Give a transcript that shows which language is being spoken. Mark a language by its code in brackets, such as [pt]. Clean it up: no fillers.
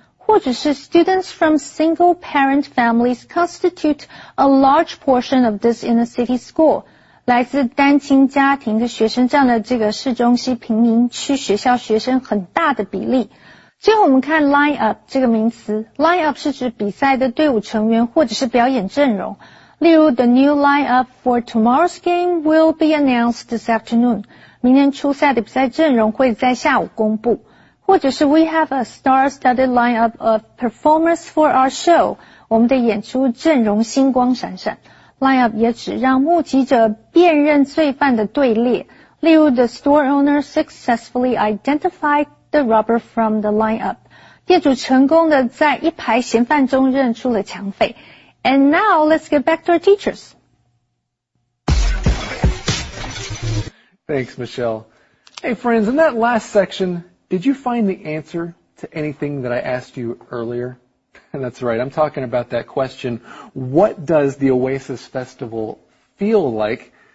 [zh] 或者是 [en] ,students from single parent families constitute a large portion of this inner city school, [zh] 来自单亲家庭的学生占了这个市中心贫民区学校学生很大的比例。最后我们看 line up 这个名词 ,line up 是指比赛的队伍成员或者是表演阵容。例如 [en] ,the new lineup for tomorrow's game will be announced this afternoon. [zh] 明天初赛的比赛阵容会在下午公布。或者是 [en] ,we have a star-studded lineup of performers for our show. [zh] 我们的演出阵容星光闪闪。 Lineup 也指让目击者辨认罪犯的队列。例如 [en] ,the store owner successfully identified the robber from the lineup. [zh] 店主成功地在一排嫌犯中认出了抢匪。 [en] And now, let's get back to our teachers. Thanks, Michelle. Hey, friends, in that last section, did you find the answer to anything that I asked you earlier? And that's right, I'm talking about that question, what does the Oasis Festival feel like?